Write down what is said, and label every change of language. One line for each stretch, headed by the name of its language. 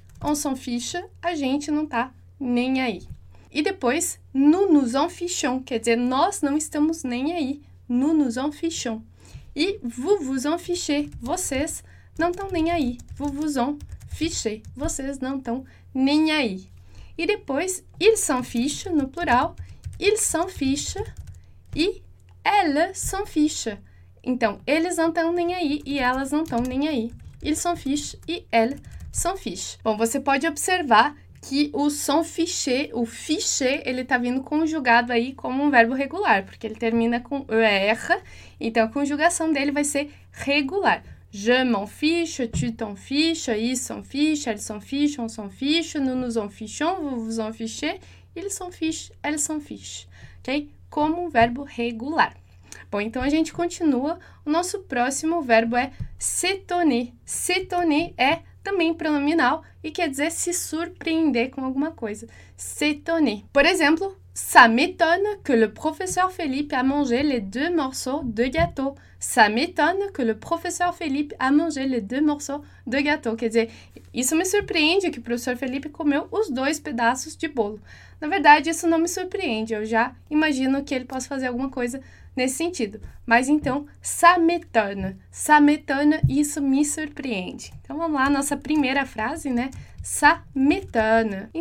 French: On s'en fiche,
Portuguese: a gente não tá nem aí. E depois,
French: nous nous en fichons,
Portuguese: quer dizer, nós não estamos nem aí.
French: Nous nous en fichons. E vous vous en fichez,
Portuguese: vocês não estão nem aí.
French: Vous vous en fichez,
Portuguese: vocês não estão nem aí.
French: E depois, ils s'en fichent,
Portuguese: no plural,
French: ils s'en fichent e elles s'en fichent.
Portuguese: Então, eles não estão nem aí e elas não estão nem aí.
French: Ils s'en fichent e elles s'en fichent.
Portuguese: Bom, você pode observar que o som fiché, o fiché, ele tá vindo conjugado aí como um verbo regular, porque ele termina com er, então a conjugação dele vai ser regular.
French: Je m'en fiche, tu t'en fiches, ils s'en fichent, elles s'en fichent, on s'en fiche, nous nous en fichons, vous vous en fichez, ils s'en fichent, elles s'en fichent, ok?
Portuguese: Como um verbo regular. Bom, então a gente continua. O nosso próximo verbo é s'étonner. S'étonner é também pronominal e quer dizer se surpreender com alguma coisa.
French: S'étonner.
Portuguese: Por exemplo,
French: ça m'étonne que le professeur Philippe a mangé les deux morceaux de gâteau. Ça m'étonne que le professeur Philippe a mangé les deux morceaux de gâteau.
Portuguese: Quer dizer, isso me surpreende que o professor Felipe comeu os dois pedaços de bolo. Na verdade, isso não me surpreende. Eu já imagino que ele possa fazer alguma coisa nesse sentido. Mas então,
French: ça m'étonne. Ça m'étonne,
Portuguese: isso me surpreende. Então vamos lá, nossa primeira frase, né?
French: Ça m'étonne.